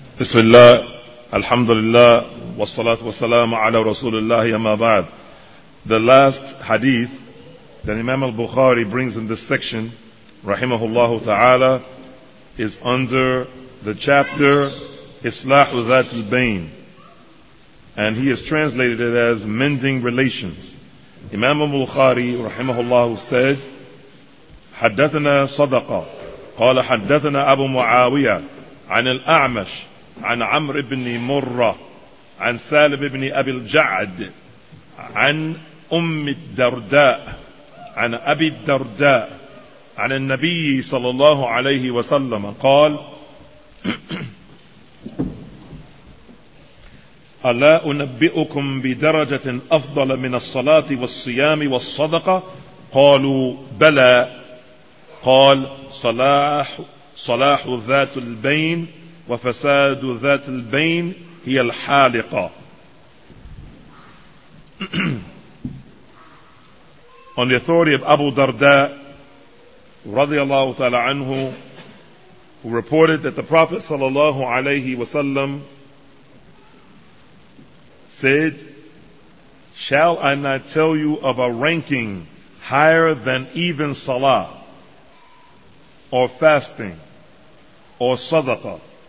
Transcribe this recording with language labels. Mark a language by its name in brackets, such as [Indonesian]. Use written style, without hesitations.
[Arabic] بسم الله الحمد لله والصلاة والسلام على رسول الله أما بعد. [English] The last hadith that Imam al-Bukhari brings in this section, رحمه الله تعالى, is under the chapter إصلاح ذات البين. And he has translated it as mending relations. Imam al-Bukhari [Arabic] رحمه الله [English] said, [Arabic] حدثنا صدقة قال حدثنا أبو معاوية عن الأعمش عن عمرو بن مرة عن سالم بن أبي الجعد عن أم الدرداء عن أبي الدرداء عن النبي صلى الله عليه وسلم قال ألا أنبئكم بدرجة أفضل من الصلاة والصيام والصدقة قالوا بلى قال صلاح ذات البين وفساد ذات البين هي الحالقة. [English] On the authority of Abu Darda رضي الله تعالى عنه, who reported that the Prophet صلى الله عليه وسلم said, shall I not tell you of a ranking higher than even salah or fasting or sadaqah?